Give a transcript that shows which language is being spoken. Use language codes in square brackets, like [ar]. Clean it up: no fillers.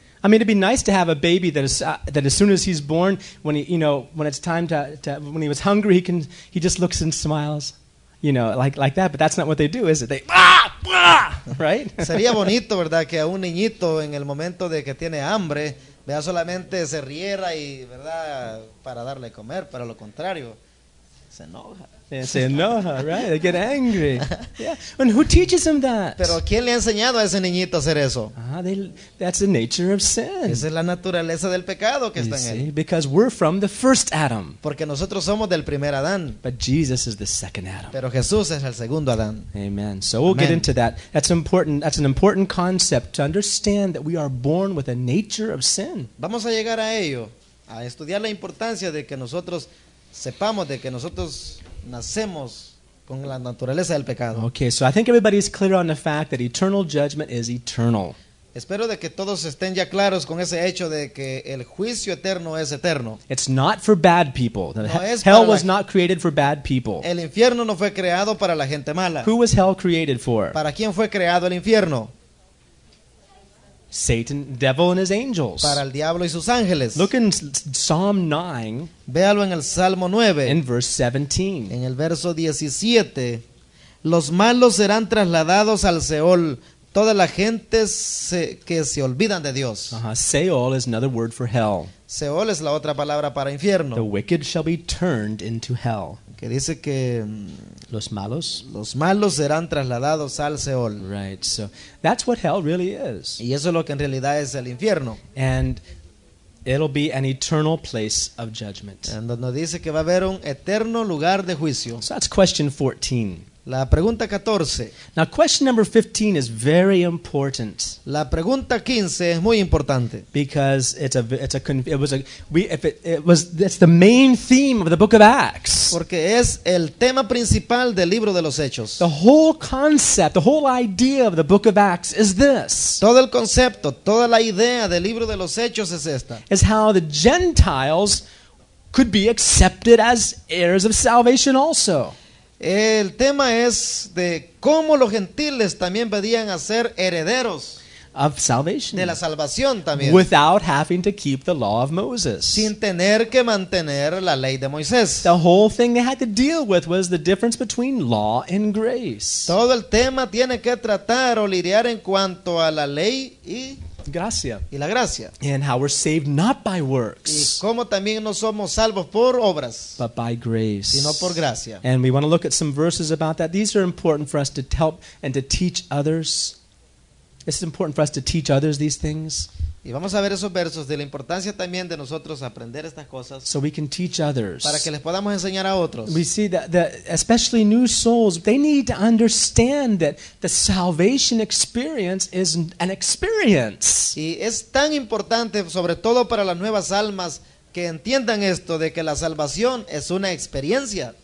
[en] I mean, it'd be nice to have a baby that as soon as he's born, when he was hungry, he just looks and smiles. You know, like that, but that's not what they do, is it? They right? [es] Sería bonito, ¿verdad?, que a un niñito en el momento de que tiene hambre vea solamente se riera y, ¿verdad?, para darle comer, pero lo contrario, se enoja. Se enoja, [en] right? They get angry. Yeah. And who teaches them that? [es] ¿Pero quién le ha enseñado a ese niñito a hacer eso? [en] That's the nature of sin. [es] Esa es la naturaleza del pecado que [en] you [es] está [en] see? [es] En él. [en] Because we're from the first Adam. [es] Porque nosotros somos del primer Adán. [en] But Jesus is the second Adam. [es] Pero Jesús es el segundo Adán. [en] Amen. So we'll Amen. Get into that. That's important. That's an important concept to understand that we are born with a nature of sin. [es] Vamos a llegar a ello, a estudiar la importancia de que nosotros sepamos de que nosotros nacemos con la naturaleza del pecado. [en] Okay, so I think everybody is clear on the fact that eternal judgment is eternal. [es] Espero de que todos estén ya claros con ese hecho de que el juicio eterno es eterno. [en] It's not for bad people. Hell was not created for bad people. [es] El infierno no fue creado para la gente mala. [en] Who was hell created for? [es] ¿Para quién fue creado el infierno? [en] Satan, devil and his angels. [es] Para el diablo y sus ángeles. [en] Look in Psalm 9. [es] Véalo en el Salmo 9. [en] In verse 17. [es] En el verso 17. Los malos serán trasladados al Seol. Toda la gente que se olvidan de Dios. [en] Seol is another word for hell. [es] Seol es la otra palabra para infierno. [en] The wicked shall be turned into hell. [es] Que dice que los malos serán trasladados al Seol. [en] Right, so that's what hell really is. [es] Y eso es lo que en realidad es el infierno. [en] And it'll be an eternal place of judgment. [es] En donde dice que va a haber un eterno lugar de juicio. [en] So that's question 14. [es] La pregunta 14. [en] Now question number 15 is very important. [es] La pregunta 15 es muy importante. [en] Because it's the main theme of the book of Acts. [es] Porque es el tema principal del libro de los Hechos. [en] The whole concept, the whole idea of the book of Acts is this. [es] Todo el concepto, toda la idea del libro de los Hechos es esta. [en] Is how the Gentiles could be accepted as heirs of salvation also. [es] El tema es de cómo los gentiles también podían ser herederos [en] of salvation, [es] de la salvación también, [en] without having to keep the law of Moses, [es] sin tener que mantener la ley de Moisés. [en] The whole thing they had to deal with was the difference between law and grace. [es] Todo el tema tiene que tratar o lidiar en cuanto a la ley y gracia. Y la gracia. [en] And how we're saved not by works. [es] Y cómo también no somos salvos por obras. [en] But by grace. [es] Sino por gracia. [en] And we want to look at some verses about that. These are important for us to help and to teach others. It's important for us to teach others these things. [es] Y vamos a ver esos versos de la importancia también de nosotros aprender estas cosas. [en] So we can teach others. [es] Para que les podamos enseñar a otros. [en] We see that the especially new souls, they need to understand that the salvation experience is an experience. [es] Y es tan importante, sobre todo para las nuevas almas, que entiendan esto de que la salvación es una experiencia.